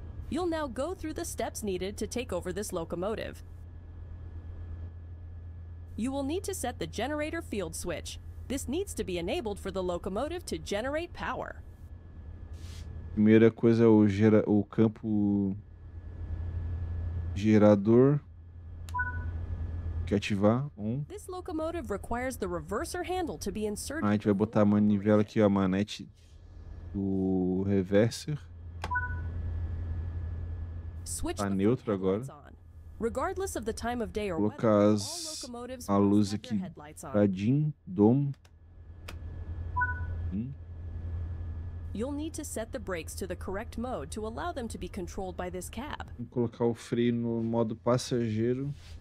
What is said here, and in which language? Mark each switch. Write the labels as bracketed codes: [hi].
[en] You'll now go through the steps needed to take over this locomotive. You will need to set the generator field switch. This needs to be enabled for the locomotive to generate power. [pt] Primeira coisa é o campo gerador. Que ativar um. [en] This locomotive requires the reverser handle to be inserted. [pt] A gente vai botar a manivela aqui, a manete do reverser. [en] Switch [pt] tá neutro agora. [en] Regardless of the time of day or weather, [pt] a luz aqui pra dim, dom. [en] You'll need to set the brakes to the correct mode to allow them to be controlled by this cab. [pt] Vou colocar o freio no modo passageiro.